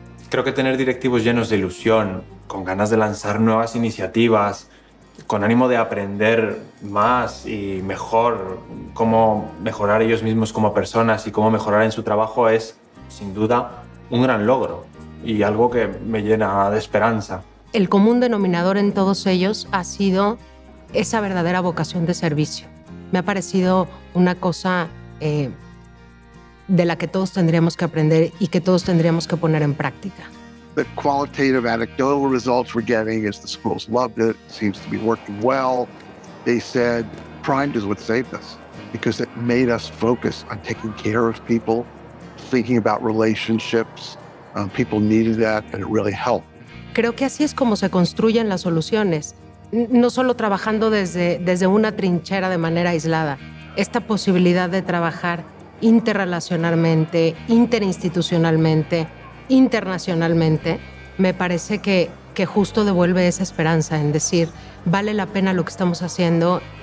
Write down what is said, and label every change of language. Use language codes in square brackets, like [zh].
[es] Creo que tener directivos llenos de ilusión, con ganas de lanzar nuevas iniciativas, con ánimo de aprender más y mejor, cómo mejorar ellos mismos como personas y cómo mejorar en su trabajo, es, sin duda, un gran logro y algo que me llena de esperanza. El común denominador en todos ellos ha sido esa verdadera vocación de servicio. Me ha parecido una cosa de la que todos tendríamos que aprender y que todos tendríamos que poner en práctica. [en] The qualitative anecdotal results we're getting is the schools loved it, seems to be working well. They said Primed is what saved us because it made us focus on taking care of people, thinking about relationships. People needed that and it really helped. [es] Creo que así es como se construyen las soluciones, no solo trabajando desde una trinchera de manera aislada. Esta posibilidad de trabajar interrelacionalmente, interinstitucionalmente, internacionalmente, me parece que justo devuelve esa esperanza en decir, vale la pena lo que estamos haciendo.